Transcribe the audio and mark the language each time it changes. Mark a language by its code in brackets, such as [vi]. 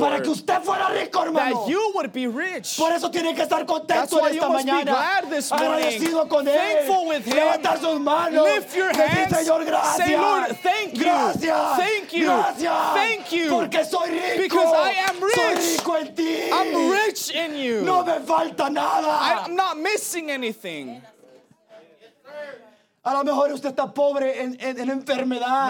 [es] Para que usted fuera rico, hermano. [en] That you would be rich. [es] Por eso tiene que estar contento mañana. [en] That's why you must be glad this morning. [es] Agradecido con él. [en] Thankful with him. [es] Levantar sus manos. [en] Lift your hands. [es] Decir, Señor, gracias. [en] Say, Lord, thank you. [es] Gracias. [en] Thank you. [es] Gracias. [en] Thank you. [es] Porque soy rico. [en] Because I am rich. [es] Soy rico en ti. [en] I'm rich in you. [es] No me falta nada. [en] I'm not missing anything. [es] A lo mejor usted está pobre en enfermedad.